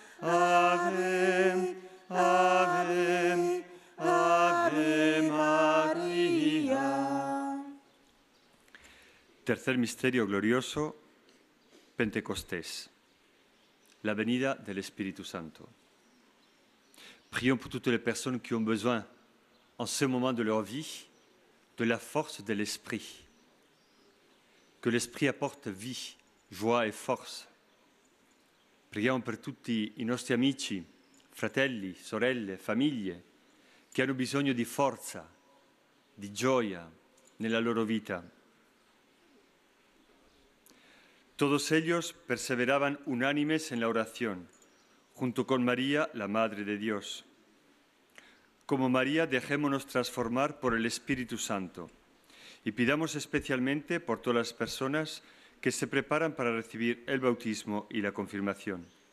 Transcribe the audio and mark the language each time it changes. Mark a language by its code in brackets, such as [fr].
[es] Ave, ave, ave María. Tercer misterio glorioso, Pentecostés. La venida del Espíritu Santo. [fr] Prions pour toutes les personnes qui ont besoin, en ce moment de leur vie, de la force de l'Esprit. Que l'Esprit apporte vie, joie et force. [it] Prions per tutti i nostri amici, fratelli, sorelle, famiglie, che hanno bisogno di forza, di gioia nella loro vita. [es] Todos ellos perseveraban unánimes en la oración, junto con María, la Madre de Dios. Como María, dejémonos transformar por el Espíritu Santo y pidamos especialmente por todas las personas que se preparan para recibir el bautismo y la confirmación.